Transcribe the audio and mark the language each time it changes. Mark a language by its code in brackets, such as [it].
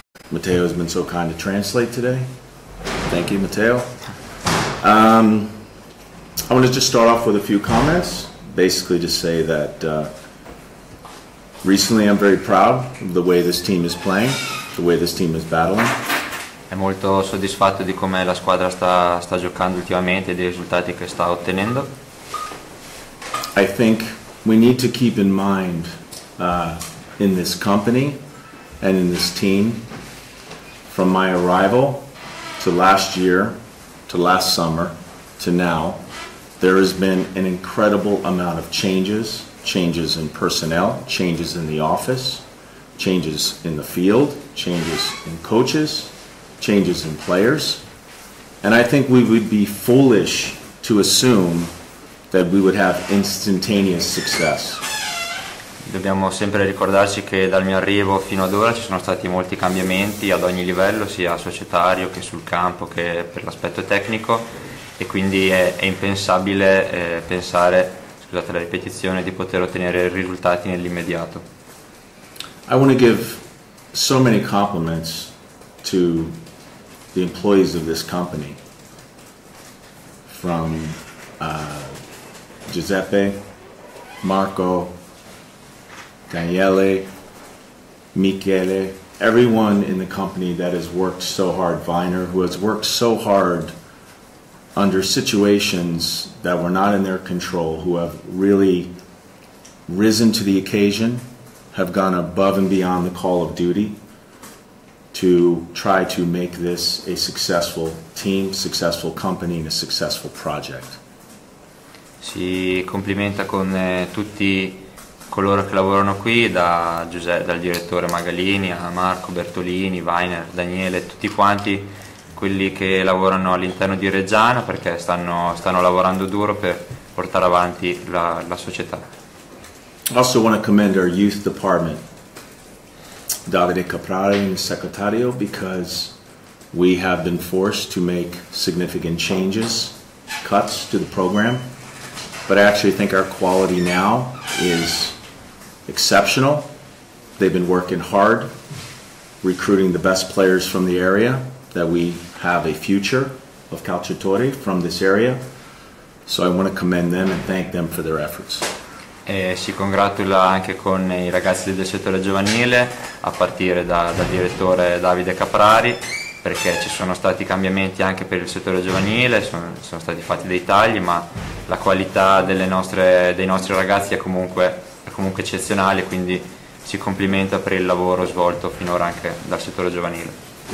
[en] Mateo has been so kind to translate today. Thank you, Mateo. I want to just start off with a few comments, basically to say that recently I'm very proud of the way this team is playing, the way this team is battling. [it] È molto soddisfatto di come la squadra sta giocando ultimamente e dei risultati che sta ottenendo. [en] I think we need to keep in mind in this company and in this team from my arrival to last year to last summer to now, there has been an incredible amount of changes in personnel, changes in the office, changes in the field, changes in coaches, changes in players. And I think we would be foolish to assume that we would have instantaneous success. [it] Dobbiamo sempre ricordarci che dal mio arrivo fino ad ora ci sono stati molti cambiamenti ad ogni livello, sia societario che sul campo che per l'aspetto tecnico, e quindi è impensabile pensare, scusate la ripetizione, di poter ottenere risultati nell'immediato. [en] I want to give so many compliments to the employees of this company, from Giuseppe, Marco, Daniele, Michele, everyone in the company that has worked so hard, Viner, who has worked so hard under situations that were not in their control, who have really risen to the occasion, have gone above and beyond the call of duty to try to make this a successful team, successful company, and a successful project. [it] Si complimenta con tutti coloro che lavorano qui, da Giuseppe, dal direttore Magalini, a Marco Bertolini, Weiner, Daniele, tutti quanti quelli che lavorano all'interno di Reggiana, perché stanno lavorando duro per portare avanti la società. [en] Also want to commend our youth department, Davide Caprari, [it] il segretario, [en] because we have been forced to make significant changes, cuts to the program. But I actually think our quality now is exceptional. They've been working hard, recruiting the best players from the area, that we have a future of Calciatori from this area. So I want to commend them and thank them for their efforts. [it] E si congratula anche con i ragazzi del settore giovanile, a partire dal direttore Davide Caprari, perché ci sono stati cambiamenti anche per il settore giovanile, sono stati fatti dei tagli, ma la qualità dei nostri ragazzi è comunque eccezionale, quindi si complimenta per il lavoro svolto finora anche dal settore giovanile.